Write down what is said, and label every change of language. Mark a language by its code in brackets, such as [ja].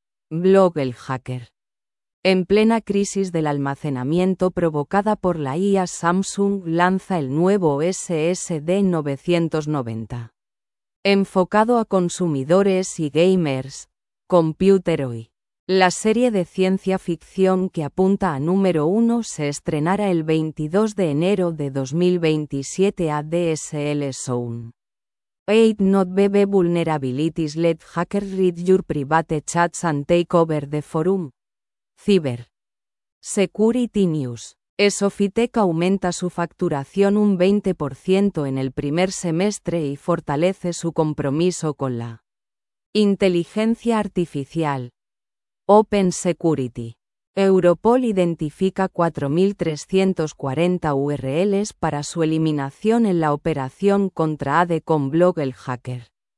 [es] Blog El Hacker. En plena crisis del almacenamiento provocada por la IA, Samsung lanza el nuevo SSD 990. Enfocado a consumidores y gamers, Computer Hoy. La serie de ciencia ficción que apunta a número 1 se estrenará el 22 de enero de 2027 a DSL Zone. [en] 8 not BB vulnerabilities let hackers read your private chats and take over the forum. Cyber. Security News. [es] Sofitec aumenta su facturación un 20% en el primer semestre y fortalece su compromiso con la inteligencia artificial. Open Security. Europol identifica 4.340 URLs para su eliminación en la operación contra ADE con Blog El Hacker.